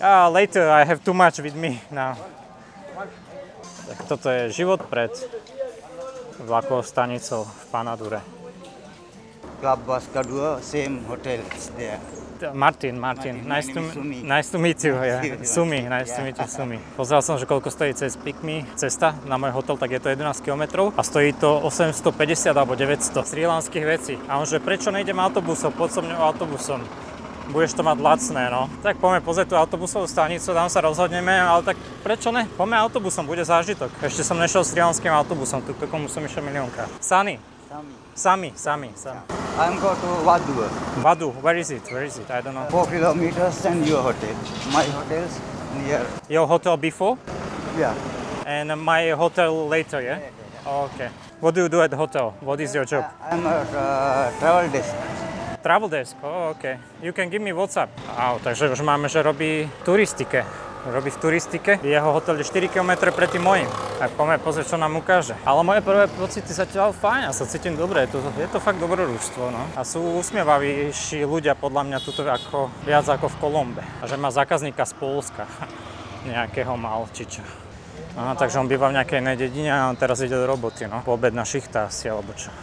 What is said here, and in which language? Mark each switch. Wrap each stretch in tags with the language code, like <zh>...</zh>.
<en>Later, I have too much with me now.</en> <sk>Tak toto je život pred vlakovou stanicou v Panadure.</sk> <en>Club Bascadua, same hotel is there. Martin, nice to meet you, Sumi.</en> <sk>Pozeral som, že koľko stojí cez PickMe cesta na môj hotel, tak je to 11 km a stojí to 850 alebo 900 srilanských vecí. A on že, prečo nejdem autobusom, poď so mňou autobusom, budeš to mať lacné, no. Tak poďme pozrieť tú autobusovú stanicu, tam sa rozhodneme, ale tak prečo ne, poďme autobusom, bude zážitok. Ešte som nešiel srilanským autobusom, tu komu som išiel miliónka.</sk> <en>Sunny. Sami. I'm going to Vadu. Vadu, where is it? I don't know. 4 kilometers and your hotel. My hotel's near. Your hotel before? Yeah. And my hotel later, yeah? Yeah. Okay. What do you do at the hotel? What is your job? I'm a travel desk. Travel desk? Oh, okay. You can give me WhatsApp.</en> <sk>Takže už máme, že robí turistike. Robí v turistike. Jeho hotel je 4 km pred tým mojim. Tak poďme pozrieť, čo nám ukáže. Ale moje prvé pocity zatiaľ fajn, ja sa cítim dobre. Je to fakt dobrodružstvo, no. A sú usmievavejší ľudia podľa mňa tuto ako viac ako v Kolombe. A že má zákazníka z Polska. Nejakého mal, či čo. Aha, takže on býva v nejakej inej dedine a on teraz ide do roboty, no. Po obed na šichta asi, alebo čo.</sk>